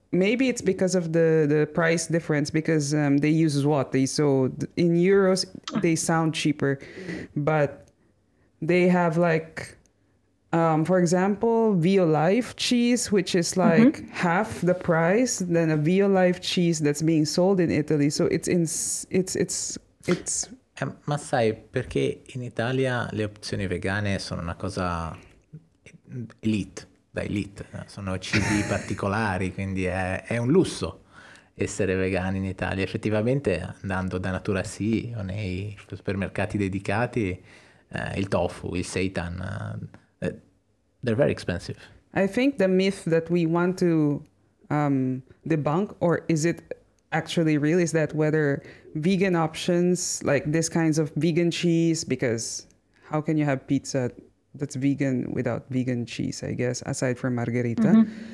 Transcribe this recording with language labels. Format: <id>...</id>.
<en>Maybe it's because of the price difference, because they use zloty, so in euros they sound cheaper, but they have, like, for example, Violife cheese, which is like mm-hmm. half the price than a Violife cheese that's being sold in Italy. So it's.</en> <it>Ma sai perché in Italia le opzioni vegane sono una cosa elite. Da elite, sono cibi particolari, quindi è un lusso essere vegani in Italia. Effettivamente, andando da Natura Sì o nei supermercati dedicati, il tofu, il seitan,</it> <en>they're very expensive. I think the myth that we want to debunk, or is it actually real, is that whether vegan options, like this kinds of vegan cheese, because how can you have pizza that's vegan without vegan cheese, I guess, aside from margherita.</en>